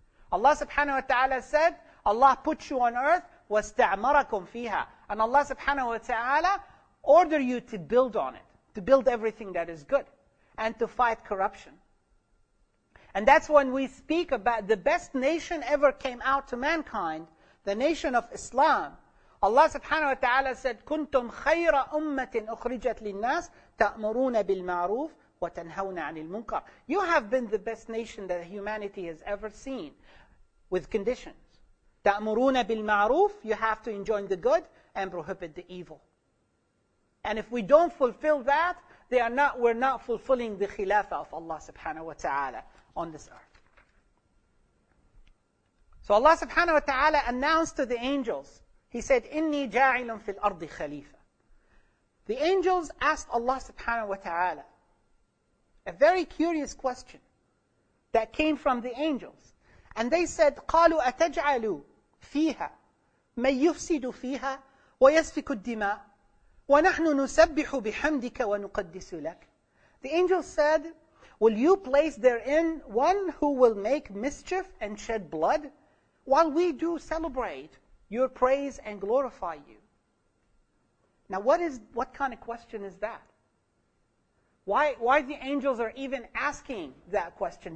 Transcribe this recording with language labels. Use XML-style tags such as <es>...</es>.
<en>Allah subhanahu wa ta'ala said, Allah put you on earth,</en> <ar>وَاسْتَعْمَرَكُمْ فِيهَا.</ar> <en>And Allah subhanahu wa ta'ala order you to build on it, to build everything that is good, and to fight corruption. And that's when we speak about the best nation ever came out to mankind, the nation of Islam. Allah subhanahu wa ta'ala said,</en> <ar>كُنْتُمْ خَيْرَ أُمَّةٍ أُخْرِجَتْ لِلنَّاسِ تَأْمُرُونَ بِالْمَعْرُوفِ وَتَنْهَوْنَ عَنِ الْمُنْكَرِ.</ar> <en>You have been the best nation that humanity has ever seen, with conditions.</en> <ar>تَأْمُرُونَ بِالْمَعْرُوفِ.</ar> <en>You have to enjoin the good and prohibit the evil. And if we don't fulfill that, we're not fulfilling the khilafah of Allah subhanahu wa ta'ala on this earth. So Allah subhanahu wa ta'ala announced to the angels, He said,</en> <ar>إِنِّي جَاعِلٌ فِي الْأَرْضِ خَلِيفَةً.</ar> <en>The angels asked Allah subhanahu wa ta'ala a very curious question that came from the angels. And they said,</en> <ar>قَالُوا أَتَجْعَلُوا فِيهَا مَنْ يُفْسِدُ فِيهَا وَيَسْفِكُ الدِّمَاءِ وَنَحْنُ نُسَبِّحُ بِحَمْدِكَ وَنُقَدِّسُ لَكَ.</ar> <en>The angels said, will you place therein one who will make mischief and shed blood while we do celebrate your praise and glorify you? Now what kind of question is that? Why the angels are even asking that question?</en>